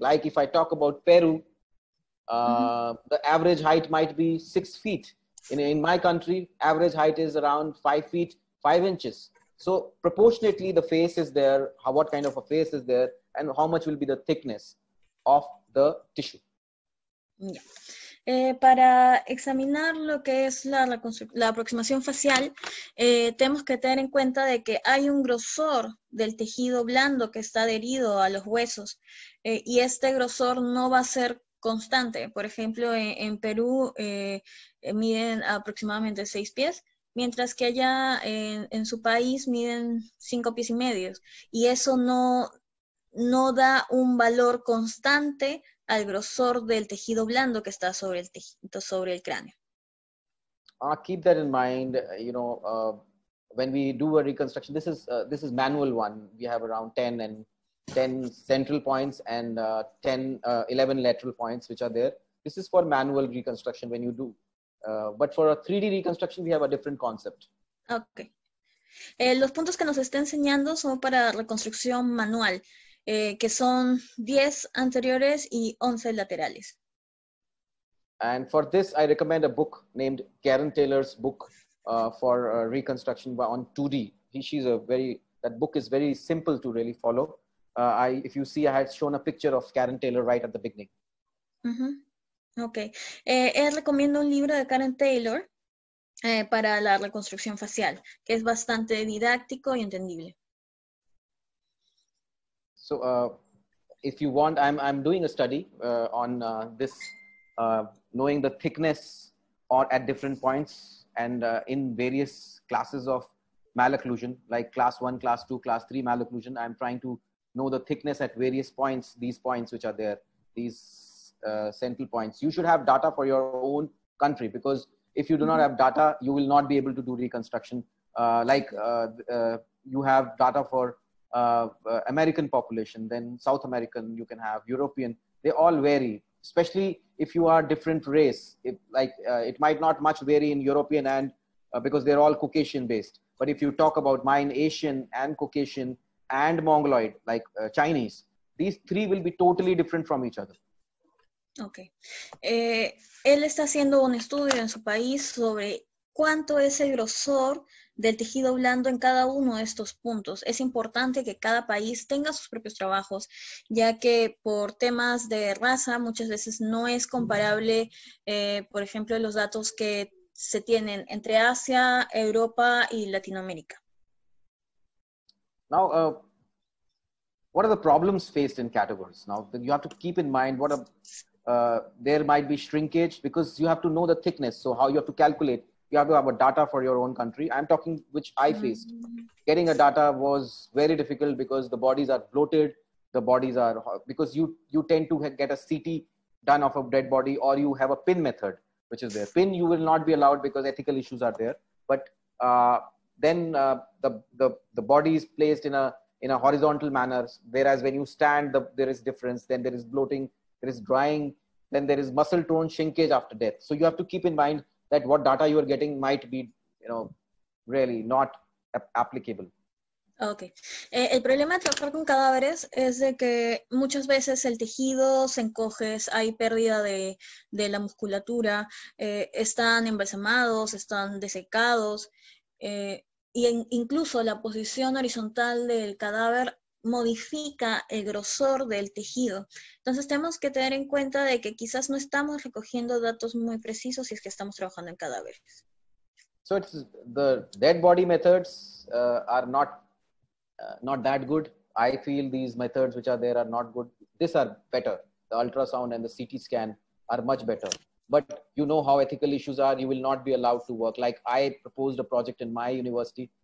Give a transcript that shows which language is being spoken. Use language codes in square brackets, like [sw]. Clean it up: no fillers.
[en] Like if I talk about Peru, the average height might be 6 feet. In my country, average height is around 5 feet, 5 inches. So proportionately, the face is there, what kind of a face is there, and how much will be the thickness of the tissue. Yeah. [es] Para examinar lo que es la aproximación facial, tenemos que tener en cuenta de que hay un grosor del tejido blando que está adherido a los huesos, y este grosor no va a ser constante. Por ejemplo, en Perú miden aproximadamente 6 pies, mientras que allá en su país miden 5 pies y medio, y eso no da un valor constante al grosor del tejido blando que está sobre el tejido, sobre el cráneo. [en] Keep that in mind. You know, when we do a reconstruction, this is manual one. We have around 10 central points and 11 lateral points which are there. This is for manual reconstruction when you do. But for a 3D reconstruction, we have a different concept. Okay. [es] Los puntos que nos está enseñando son para reconstrucción manual, que son 10 anteriores y 11 laterales. [en] And for this, I recommend a book named Karen Taylor's book for reconstruction on 2D. That book is very simple to really follow. If you see, I had shown a picture of Karen Taylor right at the beginning. Uh-huh. Okay. [es] Recomiendo un libro de Karen Taylor para la reconstrucción facial, que es bastante didáctico y entendible. [en] So, if you want, I'm doing a study on this, knowing the thickness or at different points and in various classes of malocclusion, like class 1, class 2, class 3 malocclusion. I'm trying to know the thickness at various points, these points which are there, these central points. You should have data for your own country, because if you do not have data, you will not be able to do reconstruction. You have data for American population, then South American, you can have European. They all vary, especially if you are different race. It might not much vary in European and because they're all Caucasian based. But if you talk about mine, Asian and Caucasian and Mongoloid, like Chinese, these three will be totally different from each other. Okay. [es] Él está haciendo un estudio en su país sobre cuánto es el grosor del tejido blando en cada uno de estos puntos. Es importante que cada país tenga sus propios trabajos, ya que por temas de raza, muchas veces no es comparable, por ejemplo, los datos que se tienen entre Asia, Europa y Latinoamérica. [en] Now, what are the problems faced in categories? Now, you have to keep in mind there might be shrinkage, because you have to know the thickness, so how you have to calculate. You have to have a data for your own country. I'm talking which I faced. Getting a data was very difficult because the bodies are bloated. The bodies are, because you tend to get a CT done of a dead body, or you have a pin method, which is there. Pin, you will not be allowed because ethical issues are there. But the body is placed in a horizontal manner. Whereas when you stand, there is difference. Then there is bloating, there is drying. Then there is muscle tone shrinkage after death. So you have to keep in mind that what data you are getting might be, you know, really not applicable. Okay. [es] El problema de trabajar con cadáveres es de que muchas veces el tejido se encoge, hay pérdida de la musculatura, están embalsamados, están desecados, incluso la posición horizontal del cadáver modifica el grosor del tejido. Entonces tenemos que tener en cuenta de que quizás no estamos recogiendo datos muy precisos si es que estamos trabajando en cadáveres. [en] So it's the dead body methods are not not that good. I feel these methods which are there are not good. These are better. The ultrasound and the CT scan are much better. But you know how ethical issues are. You will not be allowed to work. Like I proposed a project in my university.